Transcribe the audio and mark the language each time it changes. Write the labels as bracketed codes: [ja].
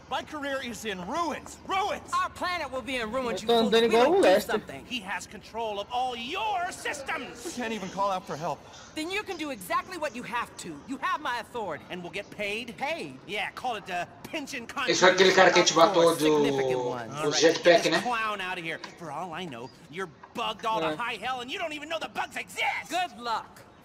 [en] My career is in ruins. Ruins. Our planet will be in ruins. You fool. We will do something. He has control of all your systems. We can't even call out for help. Then you can do exactly what you have to. You have my authority, and we'll get paid. Paid? Yeah. Call it a pension contract. [pt] Esse foi aquele cara que te matou do jetpack, né? [en] Clown out of here. For all I know, you're bugged all to high hell, and you don't even know the bug. Good luck.